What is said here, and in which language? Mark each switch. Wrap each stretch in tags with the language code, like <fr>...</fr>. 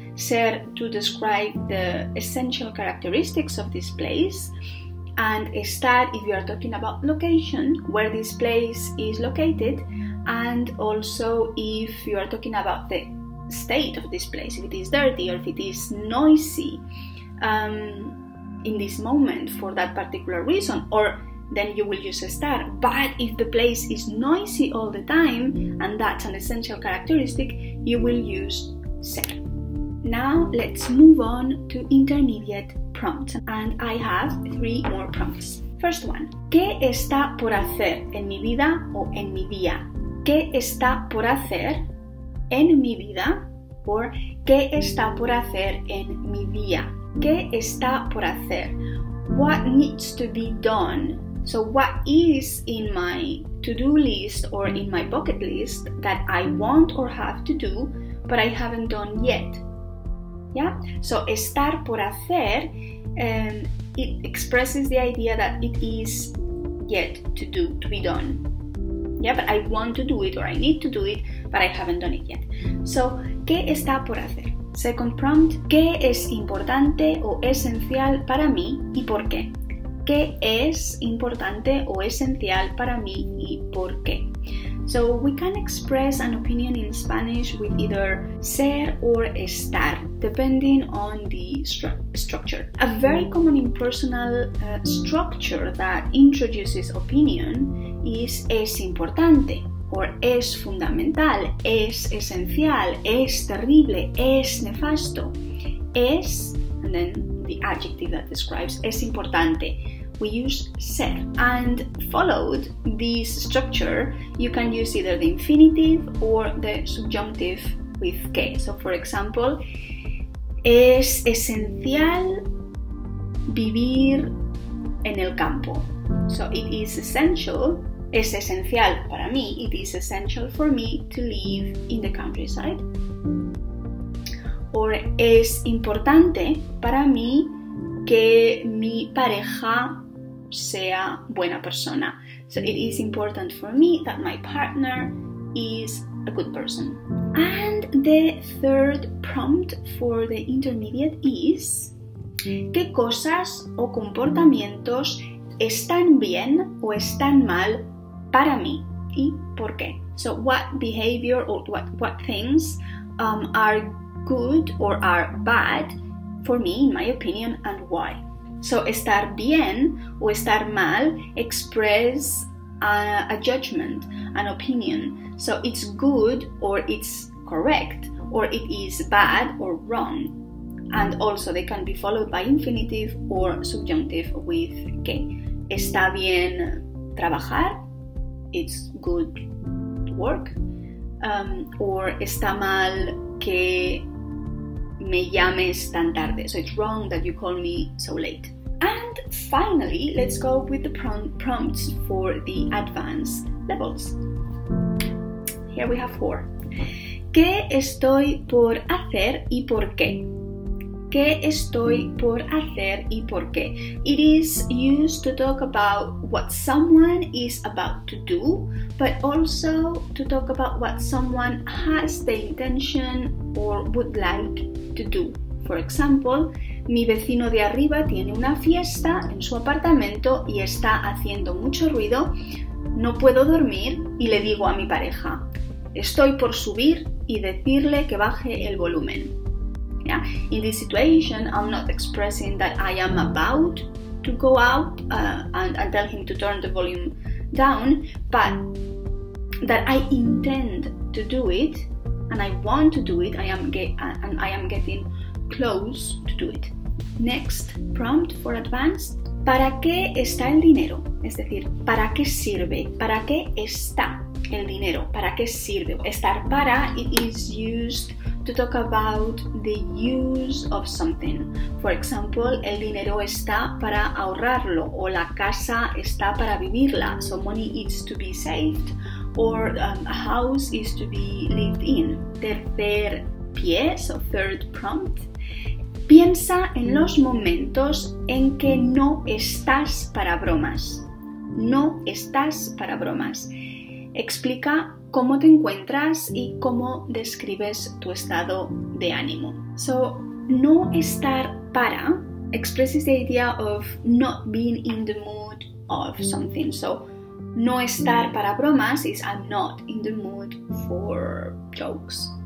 <en>Ser to describe the essential characteristics of this place, and estar if you are talking about location, where this place is located, and also if you are talking about the state of this place, if it is dirty or if it is noisy in this moment for that particular reason, or then you will use estar. But if the place is noisy all the time and that's an essential characteristic, you will use ser. Now let's move on to intermediate prompts, and I have three more prompts. First one,</en> <es>¿qué está por hacer en mi vida o en mi día? ¿Qué está por hacer en mi vida? Or ¿qué está por hacer en mi día? ¿Qué está por hacer?</es> <en>What needs to be done? So what is in my to-do list or in my bucket list that I want or have to do, but I haven't done yet? Yeah? So estar por hacer, it expresses the idea that it is yet to do, to be done. Yeah, but I want to do it or I need to do it, but I haven't done it yet.</en> <es>So, ¿qué está por hacer?</es> <en>Second prompt,</en> <es>¿qué es importante o esencial para mí y por qué? ¿Qué es importante o esencial para mí y por qué?</es> <en>So, we can express an opinion in Spanish with either ser or estar, depending on the structure. A very common impersonal structure that introduces opinion is</en> <es>es importante, or es fundamental, es esencial, es terrible, es nefasto.</es> <en>Es, and then the adjective that describes,</en> <es>es importante.</es> <en>We use ser. And followed this structure, you can use either the infinitive or the subjunctive with que. So for example,</en> <es>es esencial vivir en el campo.</es> <en>So it is essential,</en> <es>es esencial para mí,</es> <en>it is essential for me to live in the countryside.</en> <es>or es importante para mí que mi pareja sea buena persona.</es> <en>So it is important for me that my partner is a good person. And the third prompt for the intermediate is</en> <es>¿qué cosas o comportamientos están bien o están mal para mí y por qué?</es> <en>So what behavior or what things are good or are bad for me, in my opinion, and why? So estar bien o estar mal express a judgment, an opinion. So it's good or it's correct, or it is bad or wrong. And also they can be followed by infinitive or subjunctive with que.</en> <es>Está bien trabajar,</es> <en>it's good work.</en> <es>Or está mal que me llames tan tarde.</es> <en>So it's wrong that you call me so late. And finally, let's go with the prompts for the advanced levels. Here we have four.</en> <es>¿Qué estoy por hacer y por qué? ¿Qué estoy por hacer y por qué?</es> <en>It is used to talk about what someone is about to do, but also to talk about what someone has the intention or would like to do.</en> <es>For example, mi vecino de arriba tiene una fiesta en su apartamento y está haciendo mucho ruido. No puedo dormir y le digo a mi pareja, estoy por subir y decirle que baje el volumen.</es> <en>Yeah. In this situation, I'm not expressing that I am about to go out and tell him to turn the volume down, but that I intend to do it and I want to do it. I am getting close to do it. Next prompt for advanced.</en> <es>¿Para qué está el dinero? Es decir, ¿para qué sirve? ¿Para qué está el dinero? ¿Para qué sirve?</es> <en>Estar para, it is used to talk about the use of something.</en> <es>For example, el dinero está para ahorrarlo o la casa está para vivirla.</es> <en>So money is to be saved or a house is to be lived in.</en> <es>Tercer pie,</es> <en>so third prompt.</en> <es>Piensa en los momentos en que no estás para bromas. No estás para bromas. Explica cómo te encuentras y cómo describes tu estado de ánimo.</es> <en>So, no estar para expresses the idea of not being in the mood of something. So,</en> <es>no estar para bromas</es> <en>is I'm not in the mood for jokes.</en>